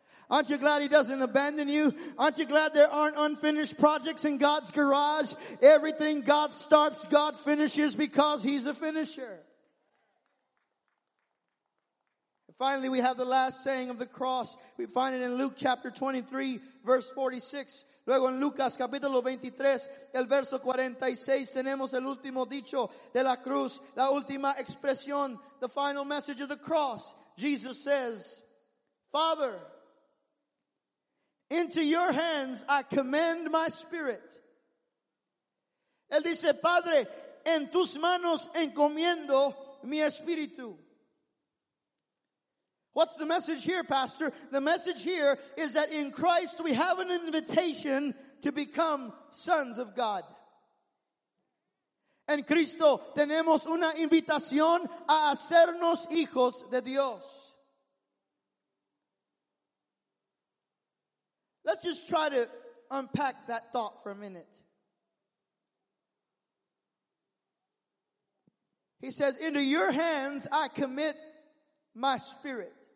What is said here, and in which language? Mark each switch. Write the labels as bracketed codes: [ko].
[en] Aren't you glad he doesn't abandon you? Aren't you glad there aren't unfinished projects in God's garage? Everything God starts, God finishes because he's a finisher. And finally, we have the last saying of the cross. We find it in Luke chapter 23, verse 46. [es] Luego en Lucas capítulo 23, el verso 46, tenemos el último dicho de la cruz, la última expresión, [en] the final message of the cross. Jesus says, Father, into your hands I commend my spirit. [es] Él dice, Padre, en tus manos encomiendo mi espíritu. [en] What's the message here, Pastor? The message here is that in Christ we have an invitation to become sons of God. [es] En Cristo tenemos una invitación a hacernos hijos de Dios. [en] Let's just try to unpack that thought for a minute. He says, into your hands I commit my spirit.